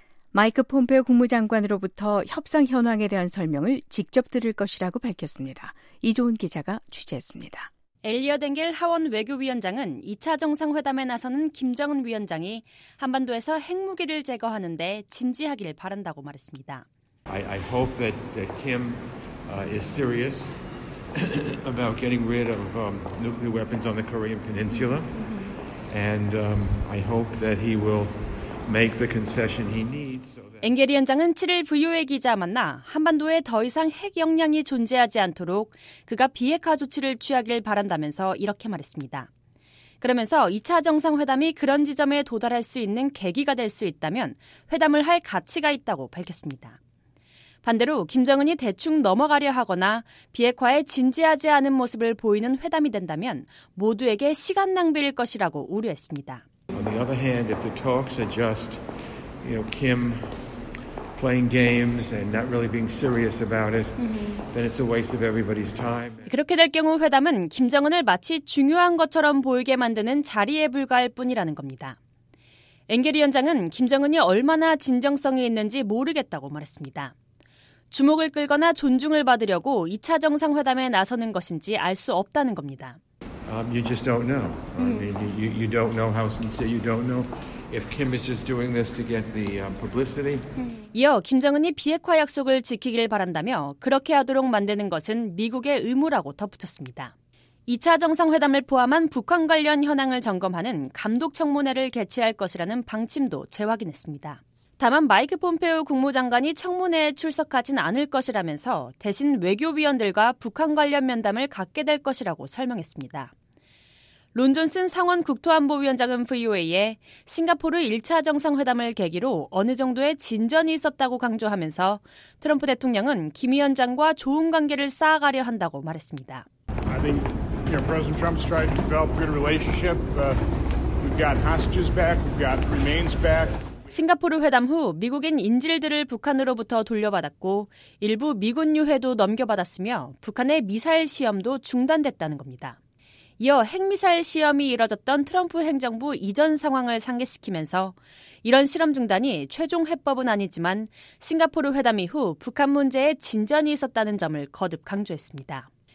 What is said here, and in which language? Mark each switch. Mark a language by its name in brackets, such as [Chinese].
[Korean] 마이크 폼페오 국무장관으로부터 협상 현황에 대한 설명을 직접 들을 것이라고 밝혔습니다. 이조은 기자가 취재했습니다. 엘리엇 앵겔 하원 외교위원장은 2차 정상회담에 나서는 김정은 위원장이 한반도에서 핵무기를 제거하는 데 진지하기를 바란다고 말했습니다. [English] I hope that, that Kim is serious about getting rid of nuclear weapons on the Korean Peninsula. And I hope that he will make the concession he needs. [Korean] 앵겔 위원장은 7일 VOA 기자와 만나 한반도에 더 이상 핵 역량이 존재하지 않도록 그가 비핵화 조치를 취하길 바란다면서 이렇게 말했습니다. 그러면서 2차 정상회담이 그런 지점에 도달할 수 있는 계기가 될 수 있다면 회담을 할 가치가 있다고 밝혔습니다. 반대로 김정은이 대충 넘어가려 하거나 비핵화에 진지하지 않은 모습을 보이는 회담이 된다면 모두에게 시간 낭비일 것이라고 우려했습니다. [English] On the other hand, if the talks are just, you know, Kim playing games and not really being serious about it, then it's a waste of everybody's time. [Korean] 그렇게 될 경우 회담은 김정은을 마치 중요한 것처럼 보이게 만드는 자리에 불과할 뿐이라는 겁니다. 앵겔 위원장은 김정은이 얼마나 진정성이 있는지 모르겠다고 말했습니다. 주목을 끌거나 존중을 받으려고 2차 정상회담에 나서는 것인지 알 수 없다는 겁니다. [English] You just don't know. You don't know how sincere. You don't know if Kim is just doing this to get the publicity. [Korean] 이어 김정은이 비핵화 약속을 지키길 바란다며 그렇게 하도록 만드는 것은 미국의 의무라고 덧붙였습니다. 2차 정상회담을 포함한 북한 관련 현황을 점검하는 감독 청문회를 개최할 것이라는 방침도 재확인했습니다. 다만 마이크 폼페오 국무장관이 청문회에 출석하진 않을 것이라면서 대신 외교위원들과 북한 관련 면담을 갖게 될 것이라고 설명했습니다. 론 존슨 상원 국토안보위원장은 VOA에 싱가포르 1차 정상회담을 계기로 어느 정도의 진전이 있었다고 강조하면서 트럼프 대통령은 김 위원장과 좋은 관계를 쌓아가려 한다고 말했습니다. [English] I think, you know, President Trump's trying to develop a good relationship. We've got hostages back. We've got remains back. [Korean] 싱가포르 회담 후 미국인 인질들을 북한으로부터 돌려받았고 일부 미군 유해도 넘겨받았으며 북한의 미사일 시험도 중단됐다는 겁니다. 이어 핵미사일 시험이 이뤄졌던 트럼프 행정부 이전 상황을 상기시키면서 이런 실험 중단이 최종 해법은 아니지만 싱가포르 회담 이후 북한 문제에 진전이 있었다는 점을 거듭 강조했습니다.